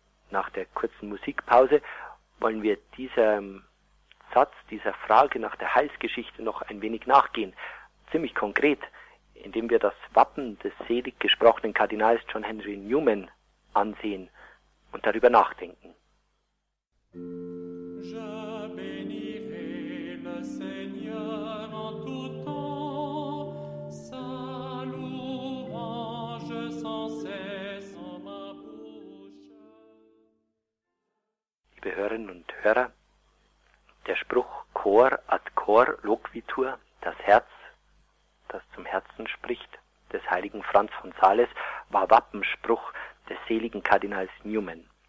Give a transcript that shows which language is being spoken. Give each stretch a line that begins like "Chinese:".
German: Nach der kurzen Musikpause wollen wir diesem Satz, dieser Frage nach der Heilsgeschichte noch ein wenig nachgehen, ziemlich konkret, indem wir das Wappen des selig gesprochenen Kardinals John Henry Newman ansehen und darüber nachdenken.
French: Je bénirai le Seigneur en tout temps, sa louange sans cesse en ma bouche.
German: Liebe Hörerinnen und Hörer, der Spruch
Latin: Cor ad cor loquitur,
German: das Herz, das zum Herzen spricht, des heiligen Franz von Sales, war Wappenspruch des seligen Kardinals Newman.